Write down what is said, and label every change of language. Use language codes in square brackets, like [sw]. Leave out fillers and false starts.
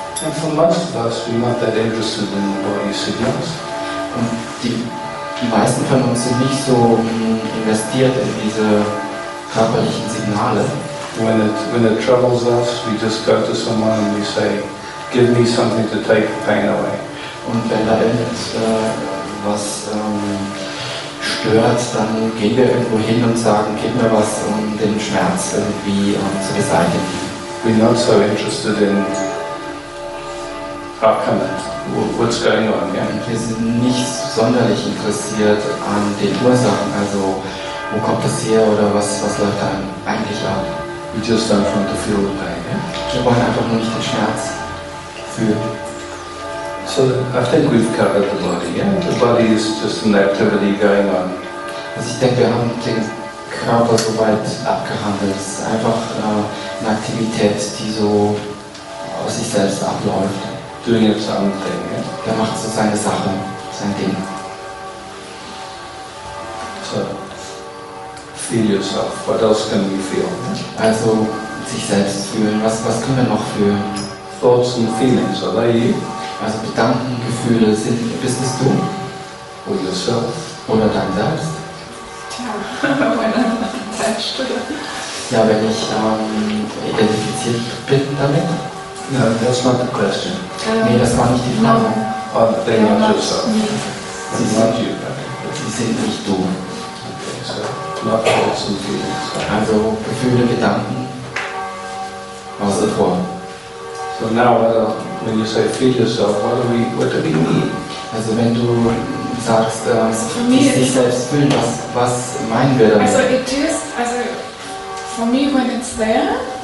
[en] And for most of us, we're not that interested in body signals. [de] Und die meisten von uns sind nicht so investiert in diese körperlichen Signale. [en] When it troubles us, we just go to someone and we say, give me something to take the pain away. [de] Und wenn da was stört, dann gehen wir irgendwo hin und sagen, gib mir was, um den Schmerz irgendwie zu beseitigen. [en] We're not so interested in upcoming. What's going on? Yeah? [de] Wir sind nicht sonderlich interessiert an den Ursachen. Also wo kommt das her oder was läuft da eigentlich ab? [en] We just don't want to feel the pain. Yeah? [de] Wir wollen einfach nur nicht den Schmerz. [en] So I think we've covered the body. Yeah? The body is just an activity going on. [de] Also ich denke, wir haben den Körper so weit abgehandelt. Es ist einfach eine Aktivität, die so aus sich selbst abläuft. [en] Doing its own thing. Yeah? [de] Der macht so seine Sache, sein Ding. [en] So feel yourself. What else can we feel? [de] Also sich selbst fühlen. Was können wir noch fühlen? [en] Thoughts and feelings, are they you? [de] Also Gedanken, Gefühle sind, bist es du? [en] Or yourself? [de] Oder dein Selbst? Tja, wenn man [en] attached to it. [de] Ja, wenn ich identifiziert bin damit? [en] No, that's not the question. [de] Nee, das war nicht die Frage. [en] No. Oh, they're not yourself. They're not you. [de] Sie sind nicht du. [en] Okay, so. not thoughts and feelings. [de] Also Gefühle, Gedanken. Was ist das vor? [en] So now, when you say feel yourself, what do we mean? [de] Also wenn du sagst, dich ist, selbst fühlen, was meinen wir damit? [en] Also it is, also for me when it's there,